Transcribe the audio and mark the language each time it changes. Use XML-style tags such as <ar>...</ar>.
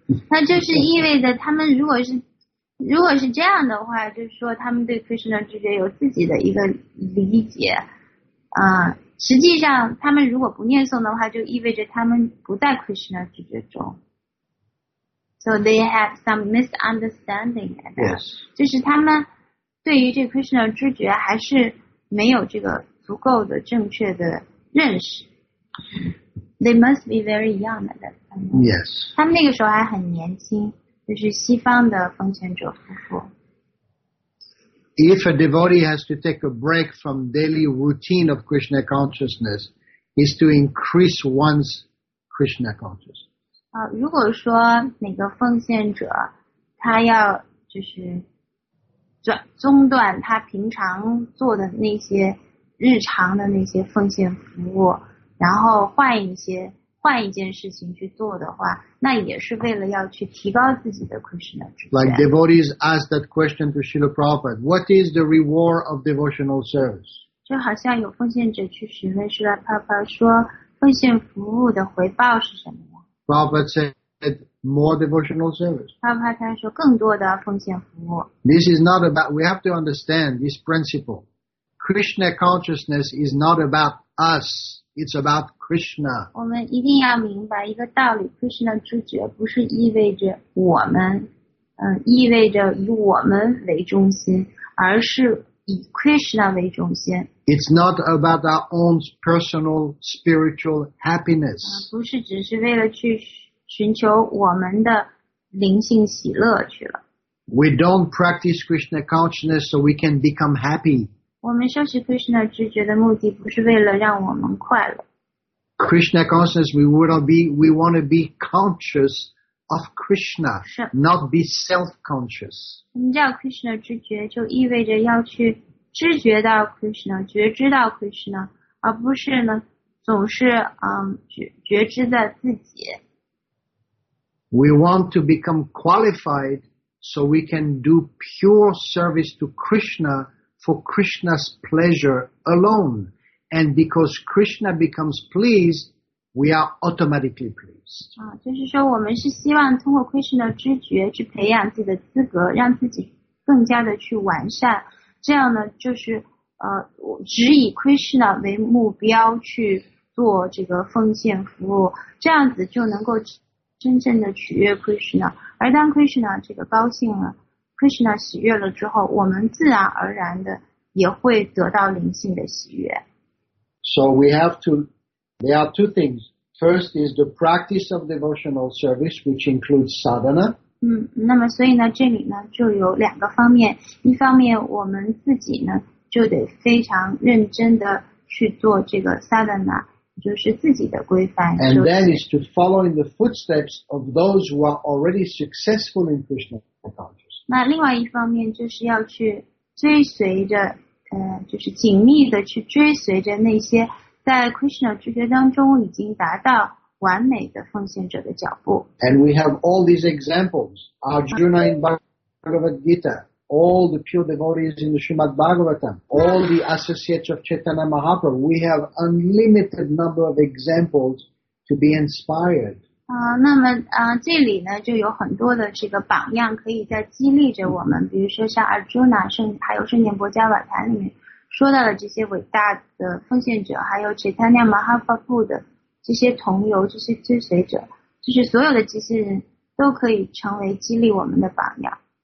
<zh>那就是意味着他们如果是这样的话，就是说他们对 Krishna 直觉有自己的一个理解，实际上他们如果不念诵的话，就意味着他们不在 Krishna 直觉中。</zh> <en>So they have some misunderstanding. Yes.</en> <zh>就是他们对于这 Krishna 知觉还是没有这个足够的正确的认识。</zh> <en>They must be very young at that time. Yes.</en> <zh>他们那个时候还很年轻，就是西方的奉献者夫妇。</zh> <en>If a devotee has to take a break from daily routine of Krishna consciousness, is to increase one's Krishna consciousness.</en> <zh>如果说哪个奉献者他要就是中断他平常做的那些日常的那些奉献服务，然后换一件事情去做的话，那也是为了要去提高自己的 Krishna 知觉。</zh> <en>Like devotees ask that question to Srila Prabhupada, what is the reward of devotional service?</en> <zh>就好像有奉献者去询问 Srila Prabhupada 说奉献服务的回报是什么。</zh> <en>Prabhupada said more devotional service.</en> <zh>Prabhupada 说更多的奉献服务。</zh> <en>This is not about, we have to understand this principle. Krishna consciousness is not about us, it's about Krishna.</en> <zh>我们一定要明白一个道理， Krishna 知觉不是意味着我们，意味着以我们为中心，而是以 Krishna 为中心。</zh> <en>It's not about our own personal spiritual happiness.</en> <zh>不是只是为了去寻求我们的灵性喜乐去了。</zh> <en>We don't practice Krishna consciousness so we can become happy.</en> <zh>我们修习 Krishna 知觉的目的不是为了让我们快乐。</zh> <en>Krishna consciousness, we want to be conscious of Krishna, not be self-conscious.</en> <zh>我们叫 Krishna 知觉就意味着要去知觉到 Krishna, 觉知到 Krishna, 而不是呢总是觉知在自己。</zh> <en>We want to become qualified so we can do pure service to Krishna for Krishna's pleasure alone. And because Krishna becomes pleased, we are automatically pleased.</en> <zh>就是说我们是希望通过 Krishna 知觉去培养自己的资格，让自己更加的去完善。这样呢就是只以 Krishna 为目标去做这个奉献服务，这样子就能够真正的取悦 Krishna。而当 Krishna 这个高兴了， Krishna 喜悦了之后，我们自然而然的也会得到灵性的喜悦。</zh> <en>So we have to, there are two things. First is the practice of devotional service, which includes sadhana.</en> <zh>那么所以呢这里呢就有两个方面，一方面我们自己呢就得非常认真的去做这个 sadhana， 就是自己的规范。</zh> <en>And then is to follow in the footsteps of those who are already successful in Krishna consciousness.</en> <zh>那另外一方面就是要去追随着就是紧密的去追随着那些在 Krishna 知觉当中已经达到完美的奉献者的脚步。</zh> <en>And we have all these examples. Arjuna in Bhagavad Gita, all the pure devotees in the Srimad Bhagavatam, all the associates of Chaitanya Mahaprabhu, we have unlimited number of examples to be inspired.</en> <zh>那么这里呢就有很多的这个榜样可以在激励着我们，比如说像 Arjuna 还有圣贤伯加瓦坛里面说到的这些伟大的奉献者，还有 Chaitanya Mahaprabhu 的这些同游，这些追随者，就是所有的这些人都可以成为激励我们的榜样。</zh>